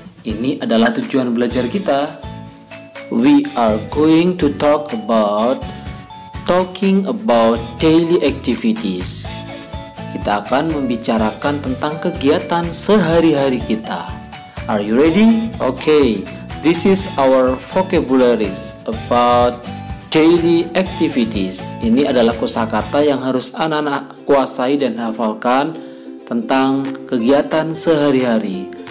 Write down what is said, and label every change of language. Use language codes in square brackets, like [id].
[id] Ini adalah tujuan belajar kita. [en] We are going to talking about daily activities. [id] Kita akan membicarakan tentang kegiatan sehari-hari kita. [en] Are you ready? Okay, this is our vocabularies about daily activities. [id] Ini adalah kosakata yang harus anak-anak kuasai dan hafalkan tentang kegiatan sehari-hari.